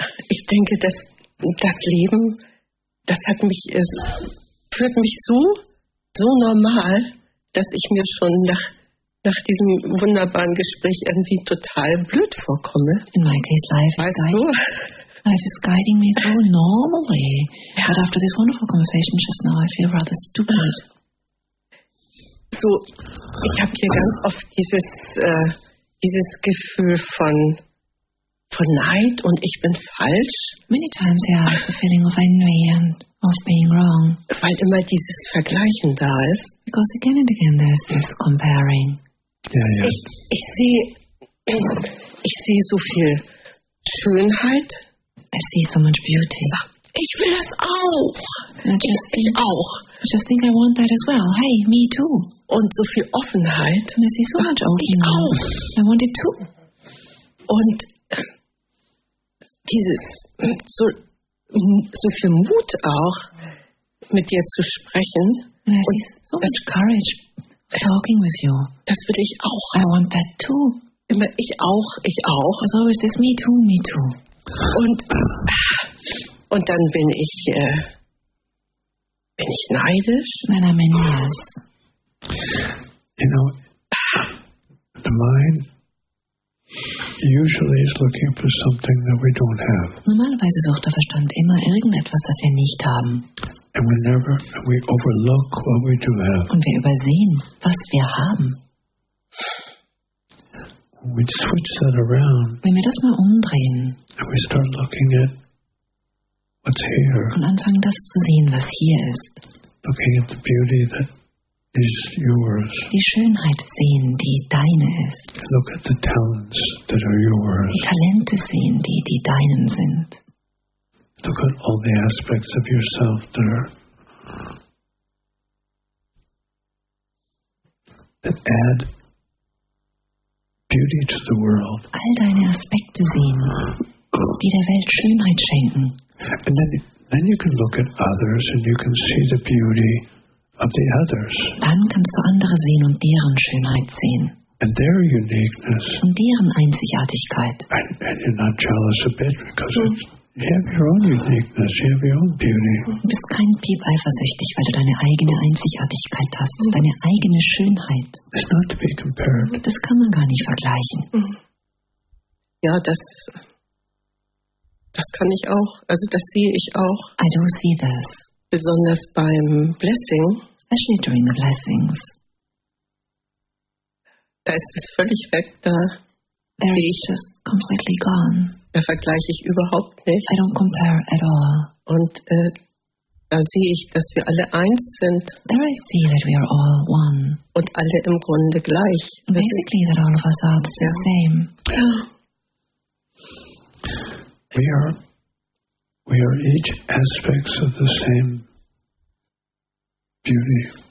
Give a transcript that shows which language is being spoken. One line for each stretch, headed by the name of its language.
German: Ich denke, dass das Leben, das hat mich, führt mich so normal, dass ich mir schon nach diesem wunderbaren Gespräch irgendwie total blöd vorkomme.
English: In my case, life is guiding me so normally. Yeah. But after this wonderful conversation just now, I feel rather stupid.
German: So, ich habe hier ganz oft dieses Gefühl von Neid und ich bin falsch.
English: Many times I have the feeling of envy and of being wrong.
German: Weil immer dieses Vergleichen da ist.
English: Because again and again there's this comparing.
German: Ich sehe so viel Schönheit.
English: I see so much beauty.
German: Ich will das auch. Ich auch.
English: I just think I want that as well. Hey, me too.
German: Und so viel Offenheit.
English: And I see so much openness.
German: Ich auch.
English: I want it too.
German: Und dieses so viel Mut auch, mit dir zu sprechen.
English: And I see so much courage talking with you.
German: Das will ich auch.
English: I want that too.
German: Immer ich auch. So ist es
English: me too.
German: Und dann bin ich neidisch. Nein,
English: I'm envious. You know, the mind usually is looking for something that we don't have.
German: Normalerweise sucht der Verstand immer irgendetwas, das wir nicht haben.
English: And we overlook what we do have.
German: Und wir übersehen, was wir haben.
English: We switch that around.
German: Wenn wir das mal umdrehen.
English: And we start looking at what's here.
German: Und anfangen das zu sehen, was hier ist.
English: Looking at the beauty that is yours.
German: Die Schönheit sehen, die deine ist.
English: Look at the talents that are yours.
German: Die Talente sehen, die deinen sind.
English: Look at all the aspects of yourself that add beauty to the world.
German: All deine Aspekte sehen, die der Welt Schönheit schenken.
English: And then you can look at others and you can see the beauty of the others.
German: Dann kannst du andere sehen und deren Schönheit sehen.
English: And their uniqueness.
German: Und deren Einzigartigkeit.
English: And you're not jealous a bit because you have your own uniqueness, you have your own beauty.
German: Du bist kein Piep eifersüchtig, weil du deine eigene Einzigartigkeit hast, deine eigene Schönheit.
English: It's not to be compared.
German: Das kann man gar nicht vergleichen. Ja, das kann ich auch. Also das sehe ich auch.
English: I do see this.
German: Besonders beim Blessing.
English: Especially during the blessings.
German: Da ist es völlig weg. Da
English: there is just completely gone.
German: Da vergleiche ich überhaupt nicht.
English: I don't compare at all.
German: Und da sehe ich, dass wir alle eins sind.
English: There I see that we are all one.
German: Und alle im Grunde gleich.
English: Basically that all of us are the same. We are each aspects of the same beauty.